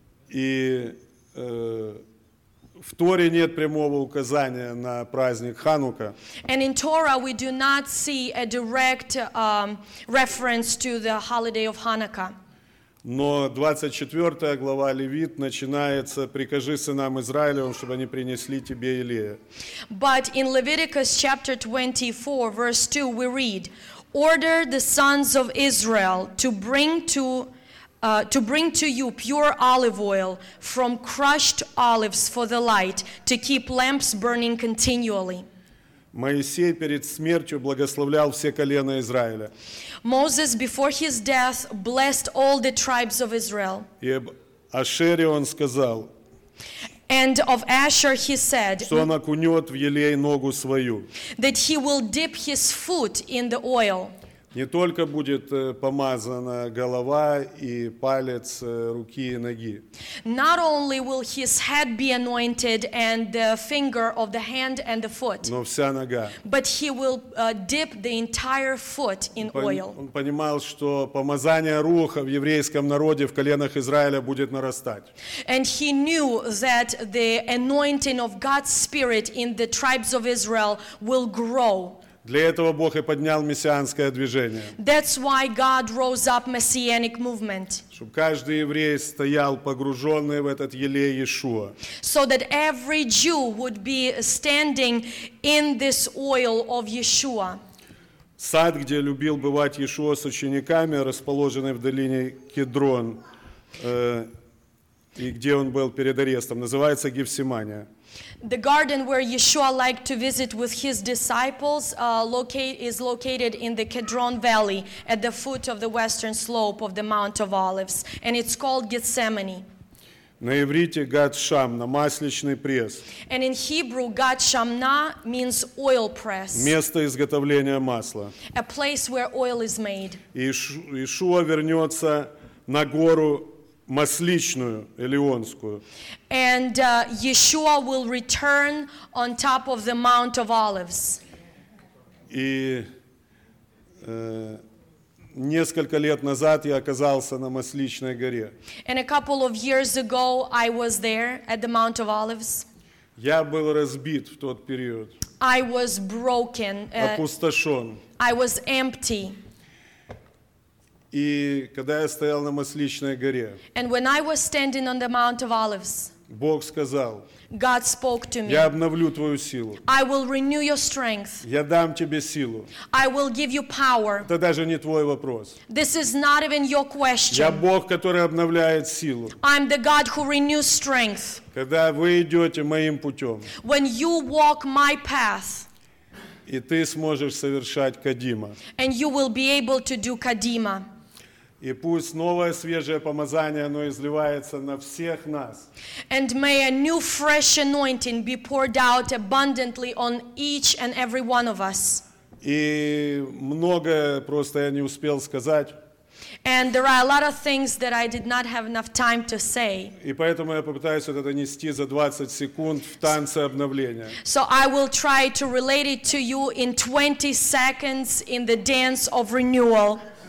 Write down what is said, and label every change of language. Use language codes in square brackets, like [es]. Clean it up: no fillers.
[ru] И в Торе нет прямого указания на праздник Ханука. [en] And in Torah we do not see a direct reference to the holiday of Hanukkah. [ru] Но 24 глава Левит начинается: «Прикажи сынам Израилевым, чтобы они принесли тебе Илия». [en] But in Leviticus chapter 24, verse 2, we read, «Order the sons of Israel to bring to you pure olive oil from crushed olives for the light, to keep lamps burning continually». [ru] Моисей перед смертью благословлял все колена Израиля. [en] Moses before his death blessed all the tribes of Israel. [ru] И об Ашере он сказал. [en] And of Asher he said. [ru] Что он окунет в елей ногу свою. [en] That he will dip his foot in the oil. [ru] Не только будет помазана голова и палец руки и ноги. [en] Not only will his head be anointed and the finger of the hand and the foot. [ru] Но вся нога. [en] But he will dip the entire foot in oil. [ru] Он понимал, что помазание руха в еврейском народе в коленах Израиля будет нарастать. [en] And he knew that the anointing of God's spirit in the tribes of Israel will grow. [ru] Для этого Бог и поднял мессианское движение. [en] That's why God rose up messianic movement. [ru] Чтобы каждый еврей стоял погруженный в этот елей Иешуа. [en] So that every Jew would be standing in this oil of Yeshua. [ru] Сад, где любил бывать Иешуа с учениками, расположенный в долине Кедрон, и где он был перед арестом, называется Гефсимания. [en] The garden where Yeshua liked to visit with his disciples is located in the Kedron Valley at the foot of the western slope of the Mount of Olives, and it's called Gethsemane. [ru] На иврите Гад Шамна, масличный пресс. [en] And in Hebrew, Гад Шамна means oil press. [ru] Место изготовления масла. [en] A place where oil is made. [ru] Иешуа вернется на гору Масличную, Элеонскую. [en] And Yeshua will return on top of the Mount of Olives. [ru] И несколько лет назад я оказался на Масличной горе. [en] And a couple of years ago I was there at the Mount of Olives. [ru] Я был разбит в тот период. [en] I was broken. [ru] Опустошен. [en] I was empty. [ru] И когда я стоял на Масличной горе, [en] and when I was standing on the Mount of Olives, [ru] Бог сказал, [en] God spoke to me, [ru] я обновлю твою силу, [en] I will renew your strength, [ru] я дам тебе силу, [en] I will give you power. [ru] Это даже не твой вопрос. [en] This is not even your question. [ru] Я Бог, который обновляет силу. [en] I'm the God who renews strength. [ru] Когда вы идете моим путем, [en] when you walk my path, [ru] и ты сможешь совершать Кадима. [en] And you will be able to do Kadima. [ru] И пусть новое свежее помазание, оно изливается на всех нас. [en] And may a new fresh anointing be poured out abundantly on each and every one of us. [ru] И многое просто я не успел сказать. [en] And there are a lot of things that I did not have enough time to say. [ru] И поэтому я попытаюсь вот это нести за 20 секунд в танце обновления. [en] So I will try to relate it to you in 20 seconds in the dance of renewal.